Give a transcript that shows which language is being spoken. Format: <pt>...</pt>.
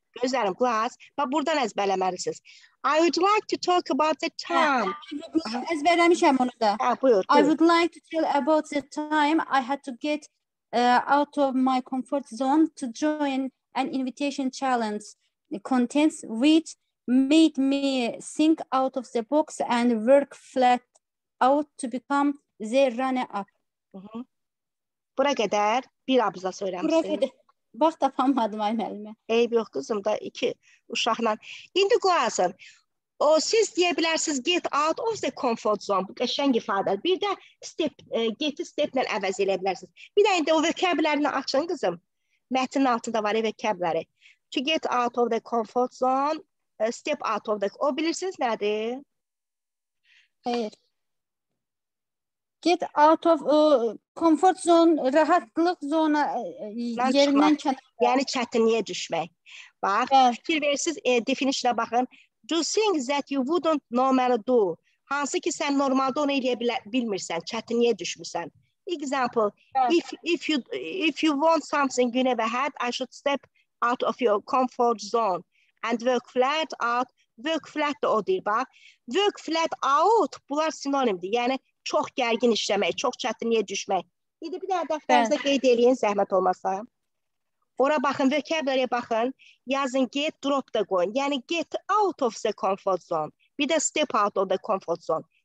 <az>Bax, buradan əzbələməlisiniz.</az> <en>I would like to talk about the time.</en> <az>Əzbələmişəm onu da. Ha, buyur.</az> <en>I would like to tell about the time I had to get out of my comfort zone to join an invitation challenge contents which made me think out of the box and work flat out to become the runner-up.</en> <az>Bura qədər bir abza söyləmişsin. Bura qədər. Bax, tapamadım ay müəllimə. Eyb yox kızım, da iki uşaqla. İndi qulaqsın. O, siz deyə bilərsiniz</az> <en>get out of the comfort zone.</en> <az>Bu qəşəng ifadədir. Bir də step, get step-lə əvəz eləyə bilərsiniz. Bir də indi o vokabularını açın kızım. Mətnin altında var evə kəbləri.</az> <en>To get out of the comfort zone, step out of the...</en> <az>O bilirsiniz nədir? Xeyr.</az> <en>Get out of comfort zone,</en> <az>rahatlıq zona yerindən kənara. Yəni çətinliyə düşmək. Bax, fikir verirsiniz, definisiyona baxın.</az> <en>Do things that you wouldn't normally do.</en> <az>Hansı ki sən normalda onu eləyə bilmirsən, çətinliyə düşmüsən.</az> <en>Example, if you want something you never had, I should step out of your comfort zone and work flat out.</en> <az>Work flat da o deyil, bax.</az> <en>Work flat out,</en> <az>bunlar sinonimdir. Yəni, çox gərgin işləmək, çox çətinliyə düşmək. İndi bir dənə dəftərinizə qeyd edin, zəhmət olmasa. Ora baxın, vocabulary baxın. Yazın, get, drop da qoyun.</az> <en>Yəni, get out of the comfort zone.</en> <az>Bir də</az> <en>step out of the comfort zone.</en>